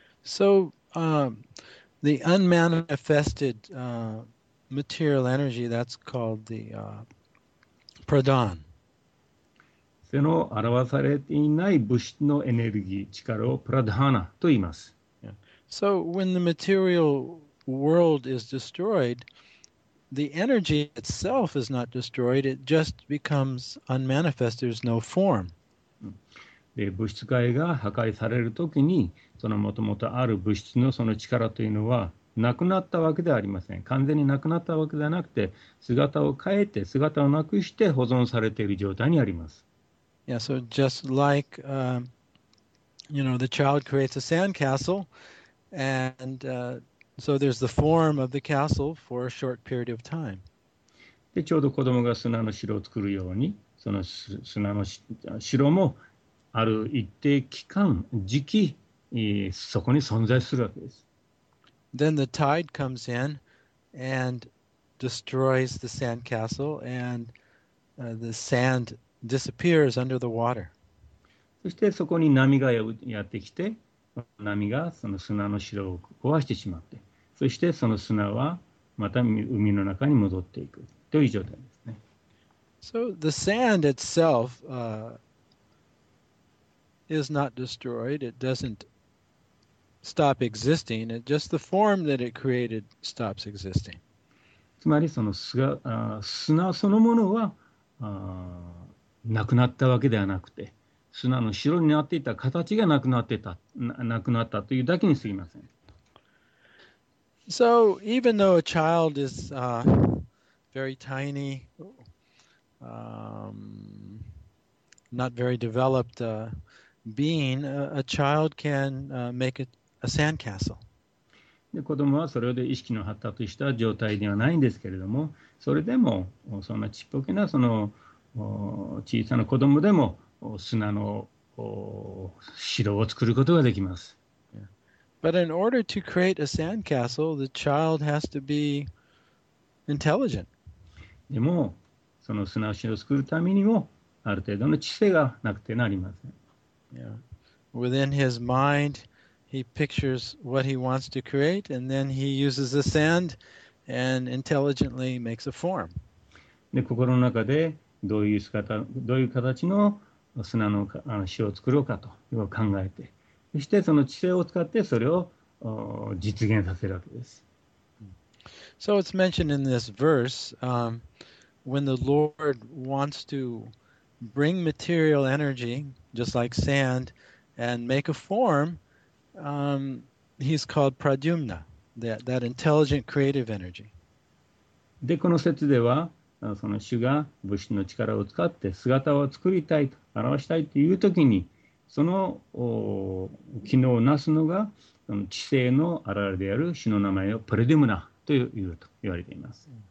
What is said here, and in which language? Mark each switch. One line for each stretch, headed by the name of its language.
English: So, the unmanifested material energy, that's called the pradhan.
Japanese: その表されていない物質のエネルギー、力をプラドハナと言います。
English: Yeah. So, when the material world is destroyed,The energy itself is not destroyed, it just becomes unmanifest, there's no form.
Japanese: で、物質界が破壊されるときに、そのもともとある物質のその力というのはなくなったわけではありません。完全になくなったわけではなくて、姿を変えて、姿をなくして保存されている状態にあります。
English: Yeah, so just like, you know, the child creates a sandcastle, and... So there's the form of the castle for a short period of time.
Japanese: で、ちょうど子供が砂の城を作るように、その砂の城もある一定期間、時期、そこに存在するわけです。
English: then the tide comes in and destroys the sandcastle, and the sand disappears under the water.
Japanese: そしてそこに波がやってきて、波がその砂の城を壊してしまって、そしてその砂はまた海の中に戻っていくという状態ですね。
English: So the sand itself, is not destroyed. It doesn't stop existing. It just the form that it created stops existing.
Japanese: つまりその砂そのものはなくなったわけではなくて、砂の城になっていた形がなくなってた、なくなったというだけにすぎません。
English: So even though a child is very tiny, not very developed being, a child can make a sandcastle.
Japanese: で、子供はそれで意識の発達した状態ではないんですけれども、それでもそんなちっぽけなその小さな子供でも砂の城を作ることができます。
English: But in order to create a sandcastle, the child has to be intelligent.
Japanese: でも、その砂城を作るためにもある程度の知性がなくてなりません。
English: Yeah. Within his mind, he pictures what he wants to create, and then he uses the sand and intelligently makes a form.
Japanese: で、心の中でどういう形の砂の城を作ろうかと考えて、そしてその知性を使ってそれを実現させるわけです。
English: So it's mentioned in this verse, when the Lord wants to bring material energy, just like sand, and make a form, he's called Pradyumna, that intelligent creative energy.
Japanese: で、この説では、その主が物質の力を使って姿を作りたいと、表したいというときに、その機能をなすのが知性の現れである主の名前をプレデュムナというと言われています。